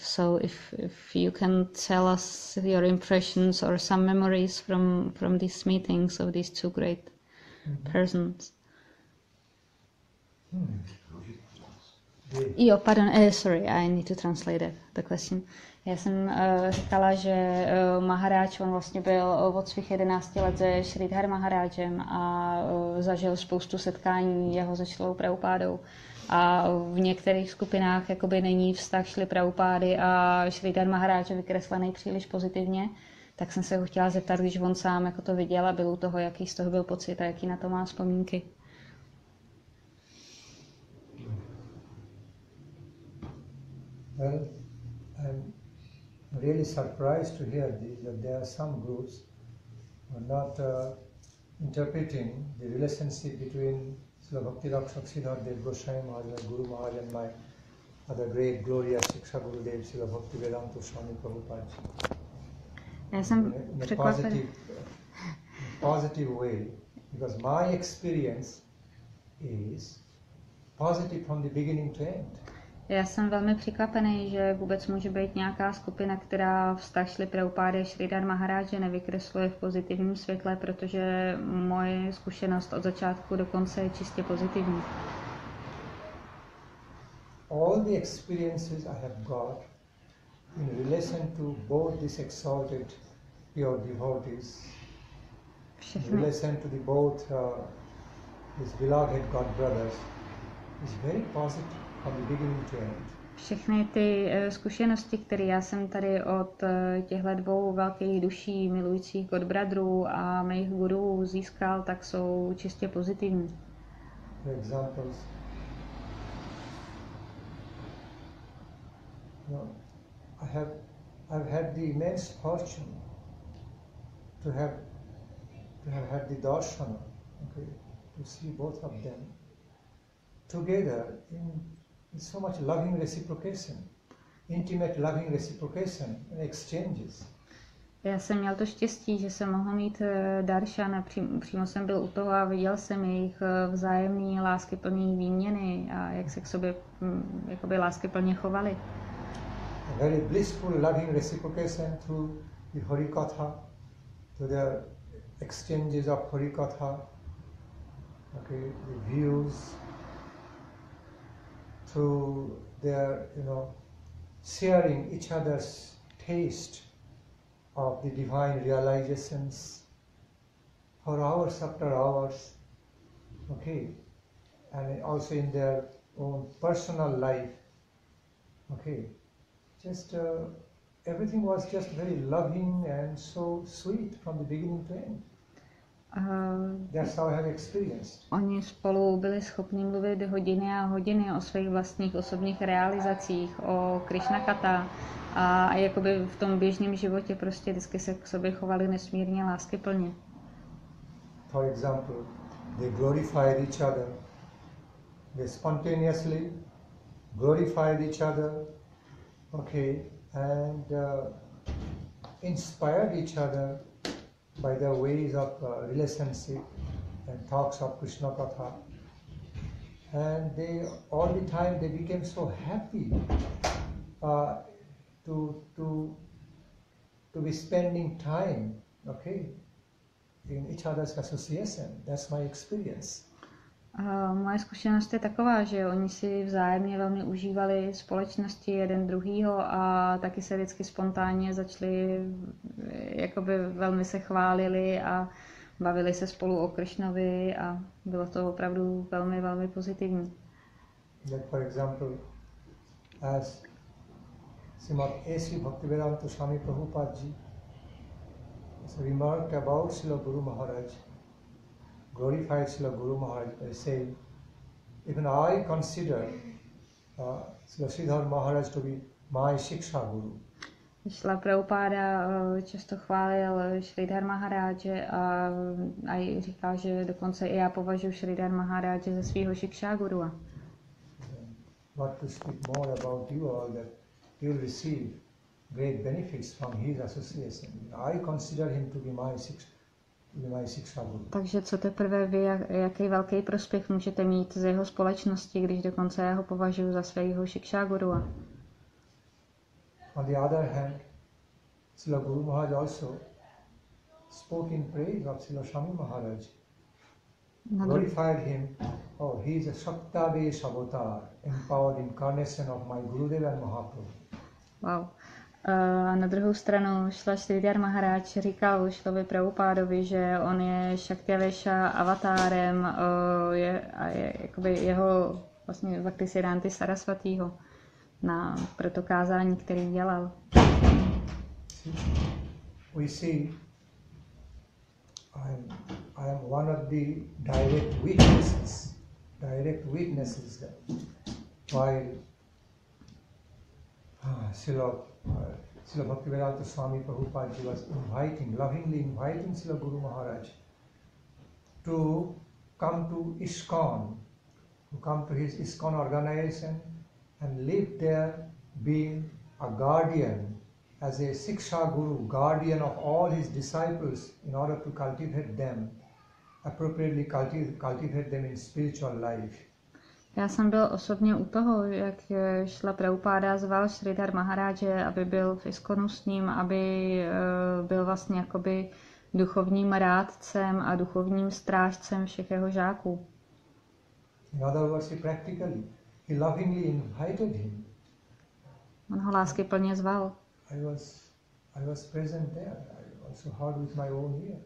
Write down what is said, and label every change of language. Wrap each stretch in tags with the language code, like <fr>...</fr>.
<en>So if you can tell us your impressions or some memories from these meetings of these two great persons. Jo, pardon, sorry, I need to translate it, the question.</en> <cs>Já jsem říkala, že Maharáč, on vlastně byl od svých 11 let se Sridhar Maharáčem a zažil spoustu setkání jeho se Šrilou Prabhupádou. A v některých skupinách jakoby není vztah Šrily Prabhupády a Sridhar Maharáče vykreslený příliš pozitivně. Tak jsem se ho chtěla zeptat, když on sám jako to viděl a byl u toho, jaký z toho byl pocit a jaký na to má vzpomínky.</cs> <en>Well, I'm really surprised to hear that there are some groups who are not interpreting the relationship between Srila Bhakti Raksha, Sridhar Dev Goswami Maharaj, Guru Maharaj, and my other great, glorious Siksha Guru Dev, Srila Bhaktivedanta Swami Prabhupada,</en> <cs>Já jsem překvapená.</cs> <en>in a positive way, because my experience is positive from the beginning to end.</en> <cs>Já jsem velmi překvapený, že vůbec může být nějaká skupina, která vztah Šrily Prabhupády a Sridhar Maharáže nevykresluje v pozitivním světle, protože moje zkušenost od začátku do konce je čistě pozitivní.</cs> <en>All the experiences I have got in relation to both these exalted pure devotees, in</en> <cs>Všechny.</cs> <en>relation to the both these beloved God brothers, is very positive from the beginning to end.</en> <cs>Všechny ty zkušenosti, které já jsem tady od těchto dvou velkých duší, milujících Godbratrů a mých gurů získal, tak jsou čistě pozitivní.</cs> <en>For examples. I've had the immense fortune to have had the darshan, okay, to see both of them together in so much loving reciprocation, intimate loving reciprocation and exchanges. Já jsem měl to štěstí, že jsem mohl mít darshan a přímo jsem byl u toho a viděl jsem jejich vzájemný láskyplný výměny a jak se k sobě jakoby láskyplně chovali. A very blissful loving reciprocation through the Hari Katha, through the exchanges of Hari Katha, okay, the views, through their, sharing each other's taste of the divine realizations for hours after hours, okay, and also in their own personal life, okay. Just everything was just very loving and so sweet from the beginning to end. That's how I have experienced.</en> <cs>Oni spolu byli schopni mluvit hodiny a hodiny o svých vlastních osobních realizacích, o Krišna Kata a jakoby v tom běžném životě prostě vždycky se k sobě chovali nesmírně láskyplně.</cs> <en>For example, they glorified each other. They spontaneously glorified each other. Okay, and inspired each other by their ways of relationship and talks of Krishna Katha. And they all the time they became so happy to be spending time, okay, in each other's association. That's my experience.</en> <cs>Moje zkušenost je taková, že oni si vzájemně velmi užívali společnosti jeden druhýho a taky se vždycky spontánně začali, jakoby velmi se chválili a bavili se spolu o Kršnovi a bylo to opravdu velmi, velmi pozitivní.</cs> <en>That, for example, as Srimad A.C. Bhaktivedanta Swami Prabhupada Ji has remarked about Srila Guru Maharaj, glorified Srila Guru Maharaj by saying, even I consider Srila Sridhar Maharaj to be my Shiksha Guru.</en> <cs>Srila Prabhupada často chválil Sridhar Maharáže a aj říkal, že dokonce i já považuji Sridhar Maharáže za svého šikšá gurua.</cs> <en>Not to speak more about you all, that you will receive great benefits from his association. I consider him to be my shiksha guru.</en> <cs>Takže co teprve vy, jaký velký prospěch můžete mít z jeho společnosti, když dokonce já ho považuji za svého šikšá gurua.</cs> <en>On the other hand, Srila Guru Maharaj also spoke in praise of Srila Swami Maharaj, glorified him, oh, he is a Shaktadesh avatar, empowered incarnation of my Gurudev and Mahaprabhu. Wow.</en> <cs>A na druhou stranu Srila Sridhar Maharaj říkal Srilovi Prabhupádovi, že on je Shaktadesha avatárem, je jeho vlastně Bhaktisiddhanty Sarasvatýho. Na protokázání, který dělal.</cs> <en>We see, I am one of the direct witnesses that while Srila Bhaktivedanta Swami Prabhupada was lovingly inviting Srila Guru Maharaj to come to ISKCON, to come to his ISKCON organization, and live there, being a guardian, as a Shiksha Guru, guardian of all his disciples, in order to cultivate them, appropriately cultivate them in spiritual life.</en> <cs>Já jsem byl osobně u toho, jak Srila Prabhupada zval Sridhar Maharaje, aby byl v ISKCONu s ním, aby byl vlastně jakoby duchovním rádcem a duchovním strážcem všech jeho žáků.</cs> <en>In other words, practically. He lovingly invited him.</en> <cs>On ho lásky plně zval.</cs> <en>I was present there. I also heard with my own ear.</en>